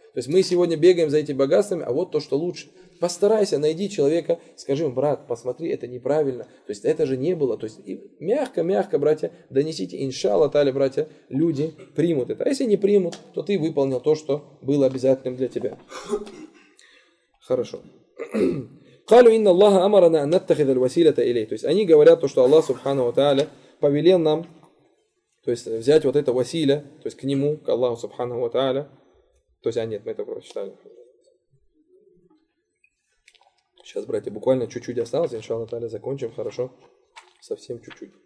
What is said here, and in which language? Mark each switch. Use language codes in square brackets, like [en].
[ru] То есть мы сегодня бегаем за этими богатствами, а вот то, что лучше. Постарайся, найди человека, скажи ему, брат, посмотри, это неправильно. То есть это же не было. То есть мягко-мягко, братья, донесите, иншаллах, тааля, братья, люди примут это. А если не примут, то ты выполнил то, что было обязательным для тебя. Хорошо. [ar] قالوا إن الله أمرنا أن نتخذ الوسيلة إليه. [ru] То есть они говорят то, что Аллах Субхана ва Тааля повелел нам, то есть взять вот это василя, то есть к нему, к Аллаху Субхана ва Тааля. То есть, а нет, мы это прочитали. Сейчас, братья, буквально чуть-чуть осталось, иншаллах тааля, закончим, хорошо? Совсем чуть-чуть.